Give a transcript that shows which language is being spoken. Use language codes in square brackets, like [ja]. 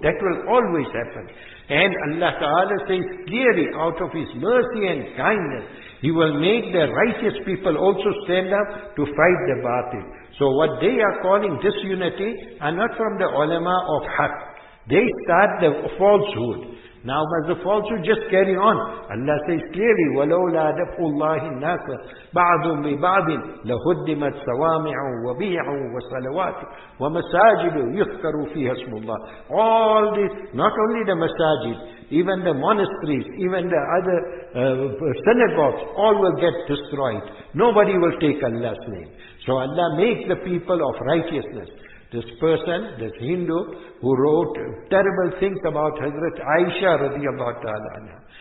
[en] That will always happen. And Allah Ta'ala says clearly, out of His mercy and kindness, He will make the righteous people also stand up to fight the batil. So what they are calling disunity are not from the ulama of haq. They start the falsehood. Now must the falsehood just carry on? Allah says clearly, [ar] وَلَوْلَا دَفْعُ اللَّهِ النَّاسَ بَعْضٌ بِبَعْضٍ لَهُدِّمَتْ صَوَامِعٌ وَبِيعٌ وَصَلَوَاتٍ وَمَسَاجِدُ يُذْكَرُ فِيهَا اسْمُ اللَّهِ. [en] All this, not only the masajid, even the monasteries, even the other synagogues, all will get destroyed. Nobody will take Allah's name. So Allah make the people of righteousness. This person, this Hindu, who wrote terrible things about Hazrat Aisha radiallahu ta'ala anha.